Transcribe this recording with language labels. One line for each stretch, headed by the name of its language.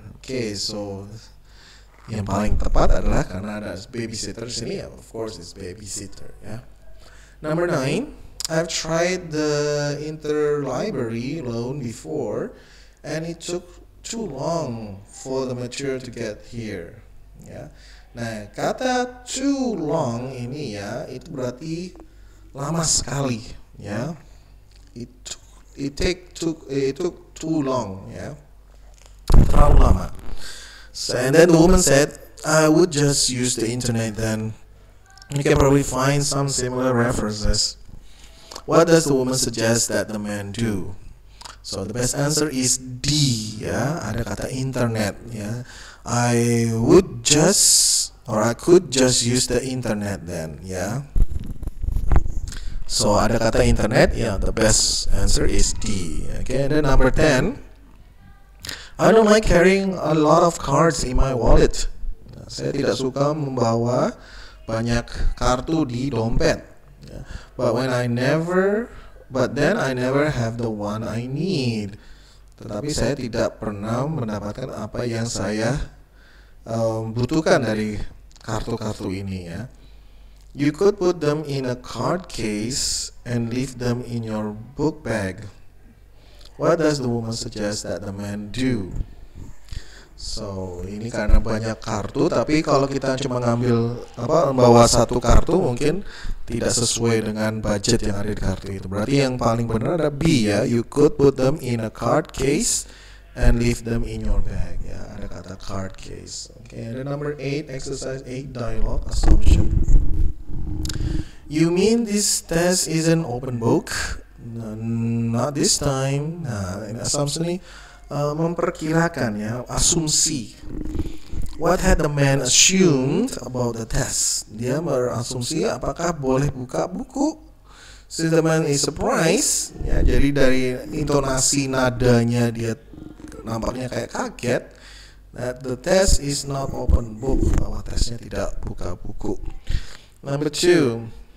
Indonesian: Okay, so yang paling tepat adalah karena ada babysitter sini, ya.
English: Of course, it's babysitter, ya. Number 9, I've tried the interlibrary loan before and it took too long for the material to get here. Ya.
Indonesian: Nah, kata
English: too long
Indonesian: ini ya, itu berarti lama sekali, ya.
English: It took too long, ya.
Indonesian: Terlalu lama.
English: So, and then the woman said, I would just use the internet then. You can probably find some similar references. What does the woman suggest that the man do? So the best answer is D, yeah.
Indonesian: Ada kata internet,
English: yeah. I could just use the internet then, yeah. So
Indonesian: ada kata
English: internet, yeah. The best answer is D. Okay, and then number 10. I don't like carrying a lot of cards in my wallet.
Indonesian: Saya tidak suka membawa banyak kartu di dompet.
English: But then I never have the one I need.
Indonesian: Tetapi saya tidak pernah mendapatkan apa yang saya butuhkan dari kartu-kartu ini, ya.
English: You could put them in a card case and leave them in your book bag. What does the woman suggest that the man do?
Indonesian: So, ini karena banyak kartu, tapi kalau kita cuma ngambil apa membawa satu kartu mungkin tidak sesuai dengan budget yang ada di kartu itu. Berarti yang paling benar ada B, ya.
English: You could put them in a card case and leave them in your bag. Ya,
Indonesian: ada kata
English: card case. Okay, and then number 8, exercise 8, dialogue assumption. You mean this test is an open book? No, not this time.
Indonesian: Nah, ini assumption ini memperkirakan, ya, asumsi.
English: What had the man assumed about the test?
Indonesian: Dia berasumsi apakah boleh buka buku?
English: Since the man is surprised,
Indonesian: ya, jadi dari intonasi nadanya dia nampaknya kayak kaget
English: that the test is not open book,
Indonesian: bahwa tesnya tidak buka buku.
English: Number 2.